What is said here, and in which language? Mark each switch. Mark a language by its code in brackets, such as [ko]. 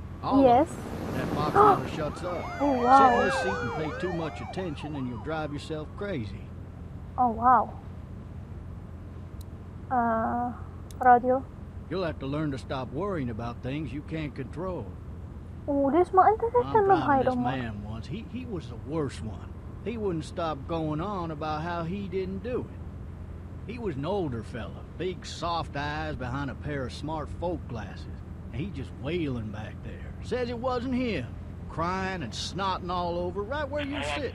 [en] Yes. That box never shuts up. Oh, wow. Sit in this seat and pay too much attention and you'll drive yourself crazy. Oh, wow. Radio. You'll have to learn to stop worrying about things you can't control. [ar] ليش ما انت تهتم بهاي الامور؟ [en] I'm driving this man once. He was the worst one. He wouldn't stop going on about how he didn't do it. He was an older fella, big soft eyes behind a pair of smart folk glasses. And he just wailing back there. Says it wasn't him. Crying and snotting all over right where you're sitting.